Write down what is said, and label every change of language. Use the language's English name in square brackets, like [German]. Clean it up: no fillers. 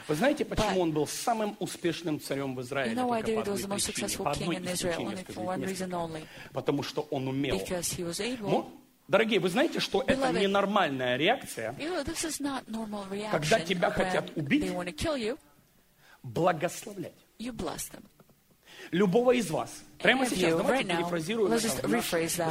[Russian] Вы знаете, почему он был самым успешным царем в Израиле? [English] You know why David was the most successful king in Israel? Only for one reason only. [Russian] Потому что он умел. [English] Because he was able. [Russian] Дорогие, вы знаете, что это ненормальная реакция? [English] You know, this is not normal reaction. [Russian] Когда тебя хотят убить, [English] they want to kill you, [Russian] благословлять. [English] You bless them. [Russian] Любого из вас. Прямо сейчас, давайте перефразируем. [English] Let's just rephrase that.